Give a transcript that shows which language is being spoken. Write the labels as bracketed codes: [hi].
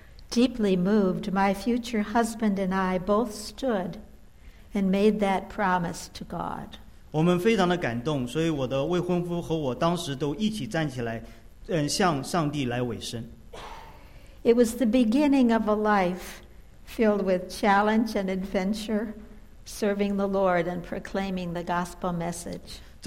[en] Deeply moved, my future husband and I both stood and made that promise to God. [zh] 我们非常的感动，所以我的未婚夫和我当时都一起站起来，向上帝来委身。 [en] It was the beginning of a life filled with challenge and adventure, serving the Lord and proclaiming the gospel message.